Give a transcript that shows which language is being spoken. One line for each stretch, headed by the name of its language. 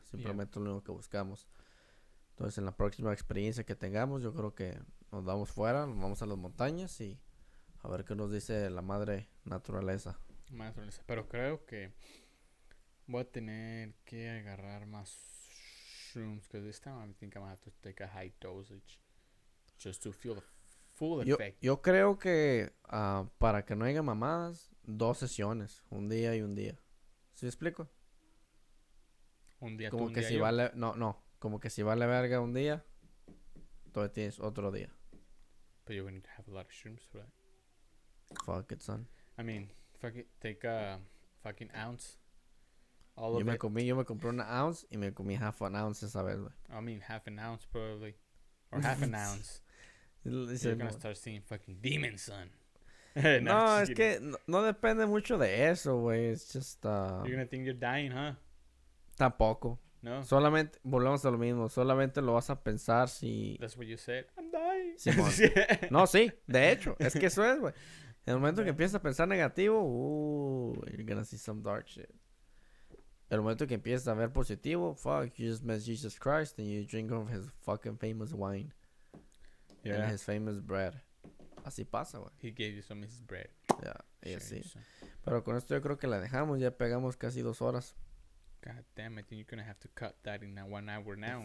Spanish: Simplemente yeah. Lo único que buscamos. Entonces en la próxima experiencia que tengamos, yo creo que nos vamos fuera, nos vamos a las montañas y a ver qué nos dice la madre naturaleza. Madre naturaleza. Pero creo que voy a tener que agarrar más shrooms.
English: Because this time I think I'm going to have to take a high dosage. Just to feel the full effect.
Spanish: Yo creo que para que no haya mamadas, dos sesiones. Un día y un día. ¿Sí explico? un día como tú, que un día si yo. Vale, no, no, como que si vale verga un día, entonces tienes otro día.
English: But you're going to have a lot of shrooms for that. Fuck it, son. I mean, fuck it, take a fucking ounce. All yo of me it.
Spanish: Comí, yo me compré una ounce y me comí
English: half an ounce
Spanish: esa vez, güey.
English: I mean, half an ounce probably. Or half an ounce. You're going to start seeing fucking demons, son.
Spanish: No, no, es que no, no depende mucho de eso, güey.
English: It's just, you're gonna think you're dying, huh?
Spanish: Tampoco. No. Solamente, volvemos a lo mismo. Solamente lo vas a pensar si...
English: That's what you said. I'm dying.
Spanish: Sí, bueno. Sí. No, sí. De hecho, es que eso es, güey. En el momento que empiezas a pensar negativo,
English: you're gonna see some dark shit.
Spanish: En el momento que empiezas a ver positivo,
English: fuck, you just met Jesus Christ and you drink of his fucking famous wine. Yeah. And his famous bread.
Spanish: Así pasa, güey.
English: He gave you some of his bread.
Spanish: Ya, yeah, y así. Pero con esto yo creo que la dejamos. Ya pegamos casi 2 horas.
English: God damn, I think you're gonna have to cut that in 1 hour now.